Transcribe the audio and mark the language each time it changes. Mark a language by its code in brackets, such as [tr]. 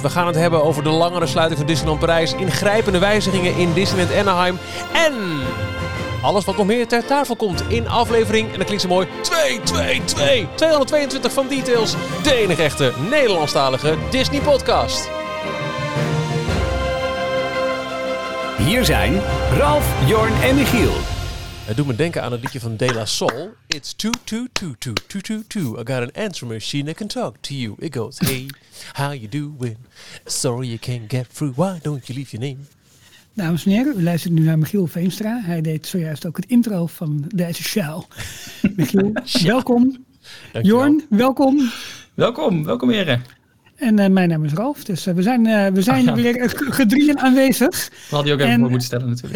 [nl] We gaan het hebben over de langere sluiting van Disneyland Parijs, ingrijpende wijzigingen in Disneyland Anaheim en alles wat nog meer ter tafel komt in aflevering, en dat klinkt zo mooi, 222 van Details, de enige echte Nederlandstalige Disney-podcast. Hier zijn Ralf, Jorn en Michiel. Het doet me denken aan het liedje van De La Soul. [en] It's 2-2-2-2-2-2-2. I got an answer machine that can talk to you. It goes, hey, how you doing? Sorry you can't get through. Why don't you leave your name? [nl] Dames en heren, we luisteren nu naar Michiel Veenstra. Hij deed zojuist ook het intro van deze show. Michiel, welkom. Dankjewel. Jorn, welkom. Welkom heren. En mijn naam is Ralf, dus we zijn weer gedrieën aanwezig. We hadden je ook even voor moeten stellen natuurlijk.